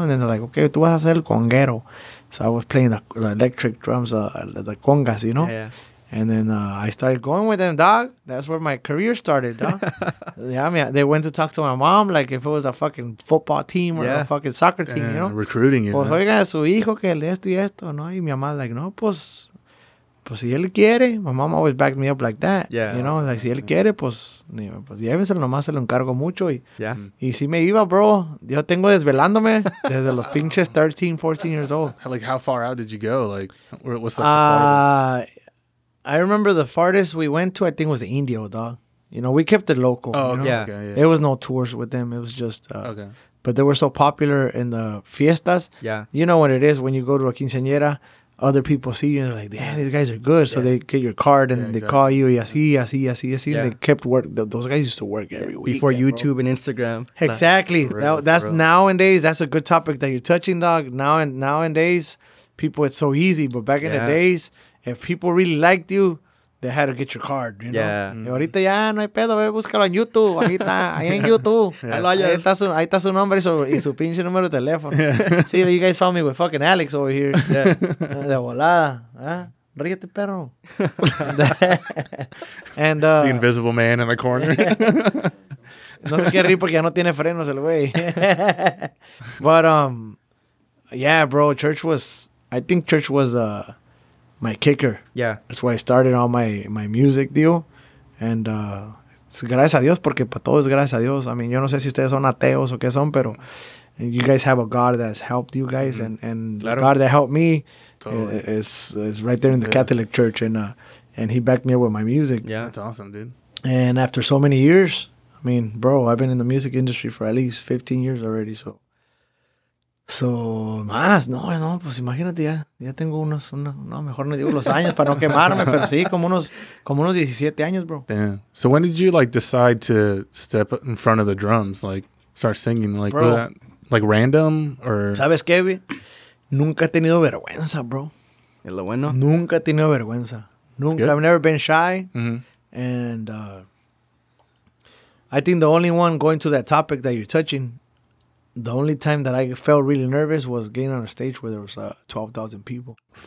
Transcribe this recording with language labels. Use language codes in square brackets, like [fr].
[en] And then they're like, okay, [es] tú vas a hacer el conguero. [en] So I was playing the electric drums, the congas, you know. Yeah, yeah. And then I started going with them, dog. That's where my career started, dog. Yeah, I mean, they went to talk to my mom, like if it was a fucking football team or a fucking soccer team, you know. Recruiting, you [es] pues, [en] know. [es] Pues, oiga, su hijo que le esto y esto, ¿no? Y mi mamá, [en] like, no, pues... [es] Pues si él quiere, [en] my mom always backed me up like that. Yeah. You know, like, [es] si él quiere, pues lléveselo nomás, se lo encargo mucho. [en] Yeah. [es] Y si me iba, bro, yo tengo desvelándome desde los pinches 13, 14 [en] years old. Like, how far out did you go? Like, what's the farthest? I remember the farthest we went to, I think, was the Indio, dog. You know, we kept it local. Oh, you know? Yeah. There was no tours with them. It was just... okay. But they were so popular in the fiestas. Yeah. You know what it is when you go to a quinceañera. Other people see you and they're like, damn, these guys are good. So they get your card and they call you. [es] Y así. [en] And they kept work. Those guys used to work every week. Before YouTube and Instagram. Exactly. That's nowadays, that's a good topic that you're touching, dog. Nowadays, people, it's so easy. But back in the days, if people really liked you, they had to get your card, you know? Yeah. [es] Y ahorita ya no hay pedo, búscalo en YouTube. Ahí está, ahí en YouTube. Ahí está su nombre y su pinche número de teléfono. [en] Yeah. See, you guys found me with fucking Alex over here. Yeah. [es] De volada. Ríete, perro. [en] And, the invisible man in the corner. [es] No sé qué rir porque ya no tiene frenos el güey. [en] But, bro, I think church was... my kicker. Yeah. That's why I started all my music deal. And it's [es] gracias a Dios, porque para todo es gracias a Dios. I mean, yo no sé si ustedes son ateos o qué son, pero you guys have a God that's helped you guys. Mm-hmm. And claro. [en] God that helped me is right there in the Catholic Church. And he backed me up with my music. Yeah, that's awesome, dude. And after so many years, I mean, bro, I've been in the music industry for at least 15 years already, so. [es] So, más, no, pues imagínate, ya tengo unos, una, no, mejor no digo los años para no quemarme, pero sí, como unos 17 años, bro. [en] Damn. So when did you, like, decide to step in front of the drums, like, start singing, like, bro, was that, like, random, or? [es] ¿Sabes qué, güey? Nunca he tenido vergüenza, bro. ¿Es lo bueno? Nunca he tenido vergüenza. Nunca. [en] I've never been shy, mm-hmm. And I think the only one going to that topic that you're touching, the only time that I felt really nervous was getting on a stage where there was 12,000 people.